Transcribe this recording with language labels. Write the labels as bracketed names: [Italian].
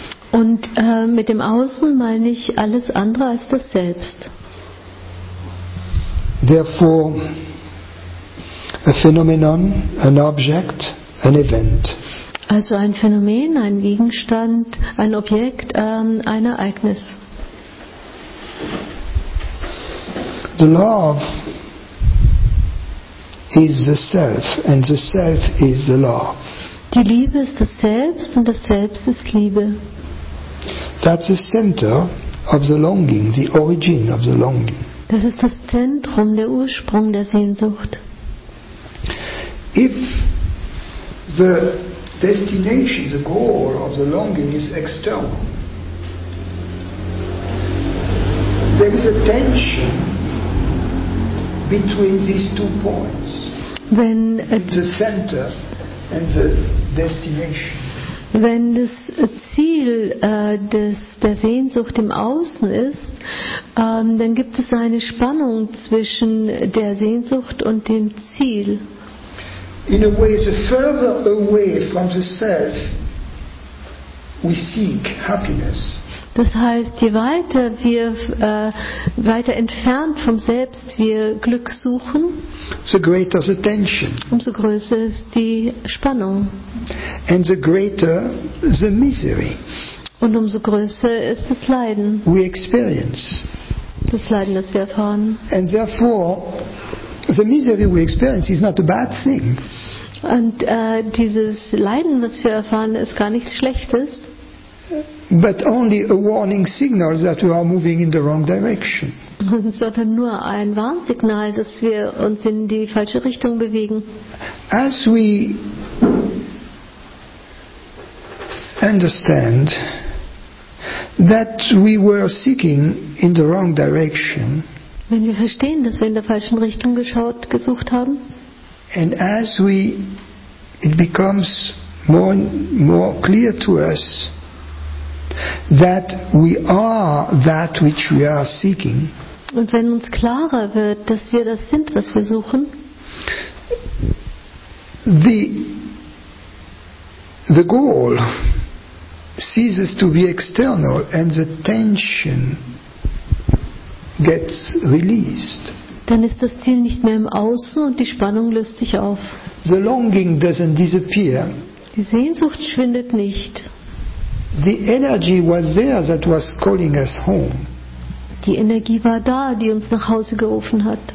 [German] Und mit dem Außen meine ich alles andere als das Selbst. [English] Therefore, a phenomenon, an object, an event. [German] Also ein Phänomen, ein Gegenstand, ein Objekt, ein Ereignis. [English] The love is the self, and the self is the love. [German] Die Liebe ist das Selbst und das Selbst ist Liebe. [English] That's the center of the longing, the origin of the longing. [German] Das ist das Zentrum, der Ursprung der Sehnsucht. [English] If the destination, the goal of the longing is external, there is a tension between these two points. When the center and the destination. [German] Wenn das Ziel der Sehnsucht im Außen ist, dann gibt es eine Spannung zwischen der Sehnsucht und dem Ziel. [English] In a way, the further away from the self we seek happiness. [German] Das heißt, je weiter wir weiter entfernt vom Selbst wir Glück suchen, [English] the greater the tension. [German] Umso größer ist die Spannung. [English] And the greater the misery. [German] Und umso größer ist das Leiden. [English] We experience. [German] Das Leiden, das wir erfahren. [English] And therefore, the misery we experience is not a bad thing. [German] Und dieses Leiden, das wir erfahren, ist gar nichts Schlechtes. [English] But only a warning signal that we are moving in the wrong direction. [German] Sondern nur ein Warnsignal, dass wir uns in die falsche Richtung bewegen. [English] As we understand that we were seeking in the wrong direction. [German] Wenn wir verstehen, dass wir in der falschen Richtung gesucht haben. [English] And as we, it becomes more and more clear to us that we are that which we are seeking. [German] Und wenn uns klarer wird, dass wir das sind, was wir suchen, [English] the goal ceases to be external and the tension gets released. [German] Dann ist das Ziel nicht mehr im Außen und die Spannung löst sich auf. [English] The longing doesn't disappear. [German] Die Sehnsucht schwindet nicht. [English] The energy was there that was calling us home. [German] Die Energie war da, die uns nach Hause gerufen hat.